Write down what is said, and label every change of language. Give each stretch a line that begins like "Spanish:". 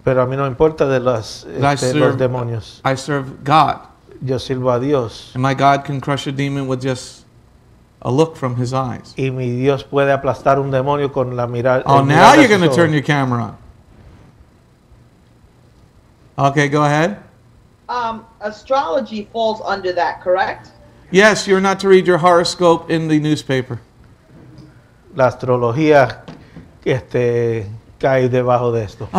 Spanish: Pero a mí no me importa de los demonios.
English: I serve God.
Spanish: Yo sirvo a Dios.
English: And my God can crush a demon with just a look from his eyes.
Spanish: Y mi Dios puede aplastar un demonio con la mirada.
English: Oh, now you're going to turn your camera on. Okay, go ahead. Astrology falls under that, correct? Yes, you're not to read your horoscope in the newspaper.
Spanish: La astrología cae debajo de esto.